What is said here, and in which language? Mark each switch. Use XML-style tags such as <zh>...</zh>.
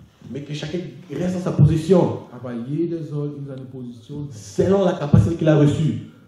<fr>Mais que chacun reste dans sa position.</fr> <de>Aber jeder soll in seine Position.</de> <fr>Selon la capacité qu'il a reçue.</fr>